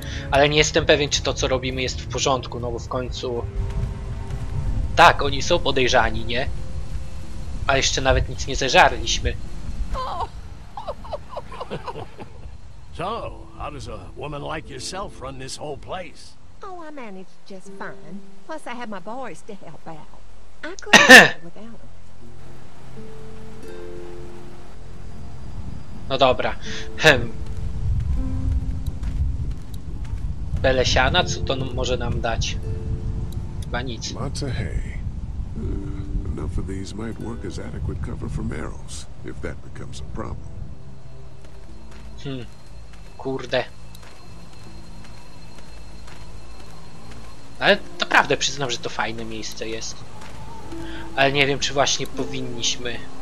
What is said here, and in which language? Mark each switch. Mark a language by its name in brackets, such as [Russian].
[Polish] Ale nie jestem pewien, czy to, co robimy, jest w porządku. No bo w końcu... Tak, oni są podejrzani, nie? A jeszcze nawet nic nie zeżarliśmy. [English] So, how does a woman like yourself run this whole place? Oh, I managed just fine. Plus, I had my boys to help out. I couldn't do it without them. [Polish] No dobra. Belesiana, co to może nam dać? Chyba nic. [English] Lots of hay. Enough of these might work as adequate cover from arrows, if that becomes a problem. [Polish] Kurde. Ale naprawdę przyznam, że to fajne miejsce jest. Ale nie wiem, czy właśnie powinniśmy.